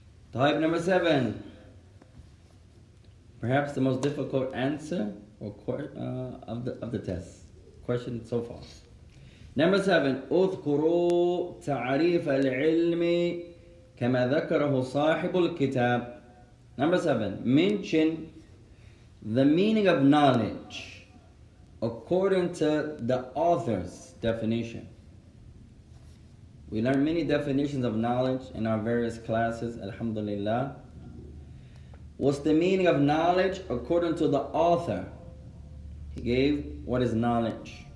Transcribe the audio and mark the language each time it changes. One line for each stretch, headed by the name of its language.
English: Type number 7. Perhaps the most difficult answer or of the test question so far. Number 7.
Arabic: اذكروا تعريف العلم كما ذكره صاحب الكتاب.
English: Number 7. Mention the meaning of knowledge according to the author's definition. We learned many definitions of knowledge in our various classes, alhamdulillah. What's the meaning of knowledge according to the author? He gave, what is knowledge?